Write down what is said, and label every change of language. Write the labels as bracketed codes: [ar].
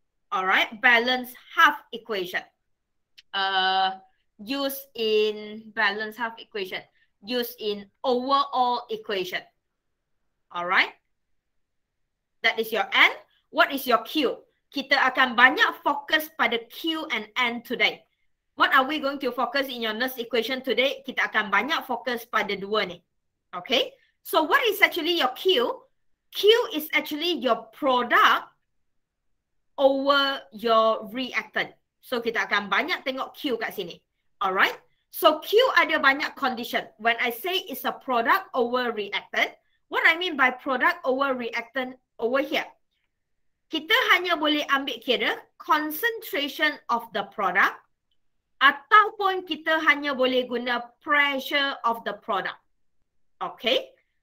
[en] Alright. Balance half equation. Used in balance half equation. Used in overall equation. Alright. That is your N. What is your Q? [ms] Kita akan banyak fokus pada Q and N today. [en] What are we going to focus in your Nernst equation today? [ms] Kita akan banyak fokus pada dua ni. [en] Okay? So what is actually your Q? Q is actually your product over your reactant. [ms] So kita akan banyak tengok Q kat sini. Alright? So Q ada banyak condition. [en] When I say it's a product over reactant, what I mean by product over reactant over here, [ms] kita hanya boleh ambil kira [en] concentration of the product [ms] ataupun kita hanya boleh guna [en] pressure of the product. Okay?